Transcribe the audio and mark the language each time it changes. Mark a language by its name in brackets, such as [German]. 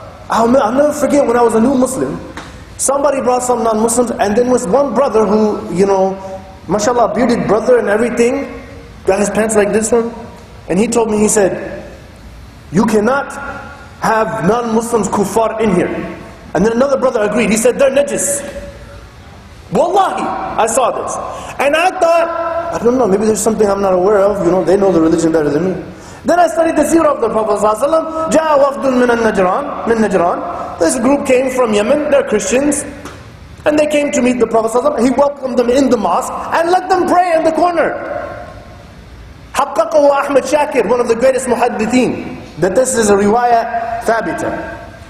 [English] I'll never forget when I was a new Muslim, somebody brought some non-Muslims, and then was one brother who, you know, mashallah, bearded brother and everything, got his pants like this one, and he told me, he said, you cannot have non-Muslims kuffar in here. And then another brother agreed, he said, they're najis. Wallahi, I saw this. And I thought, I don't know, maybe there's something I'm not aware of, you know, they know the religion better than me. Then I studied the seerah of the Prophet ﷺ. [Arabic] جاء وفد من النجران, من نجران. [English] This group came from Yemen, they're Christians. And they came to meet the Prophet ﷺ. He welcomed them in the mosque and let them pray in the corner. [Arabic] حققه أحمد شاكر, [English] one of the greatest muhaddithin, that this is a riwayah thabita.